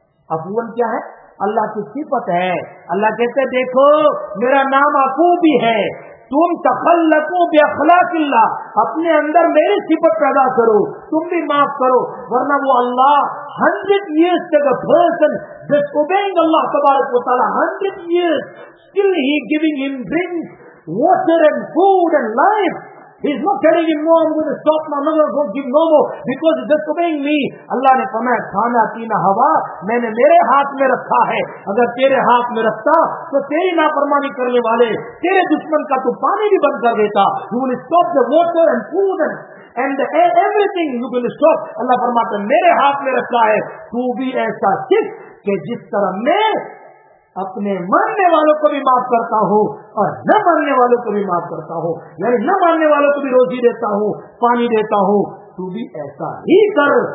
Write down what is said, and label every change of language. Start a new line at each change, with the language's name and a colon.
Urdu: عفواً کیا ہے؟ اللہ کی صفت ہے. اللہ کہتے دیکھو میرا نام عفو بھی ہے, تم
Arabic: تخلقو بأخلاق اللہ,
Urdu: اپنے اندر میری صفت پیدا کرو, تم بھی معاف کرو, ورنہ وہ اللہ 100 years تک
English: person disobeying
Urdu: اللہ تبارک و تعالیٰ,
English: 100 years still he giving him drinks, water and food and life. He's not telling him, no, I'm going to stop now, I'm not going to give no more because he's disobeying me.
Urdu: Allah نے فرمایا کھانا پینا ہوا میں نے میرے ہاتھ میں رکھا ہے, اگر تیرے ہاتھ میں رکھتا تو تیری نافرمانی کرنے والے تیرے دشمن کا تو پانی بھی بند کر دیتا.
English: You will stop the water and food and everything, you will stop.
Urdu: Allah فرماتا میرے ہاتھ میں رکھا ہے, تو بھی ایسا صرف کہ جس طرح میں اپنے ماننے والوں کو بھی معاف کرتا ہوں اور نہ ماننے والوں کو بھی معاف کرتا ہوں, یعنی نہ ماننے والوں کو بھی روزی دیتا ہوں پانی دیتا ہوں, تو بھی ایسا ہی کر.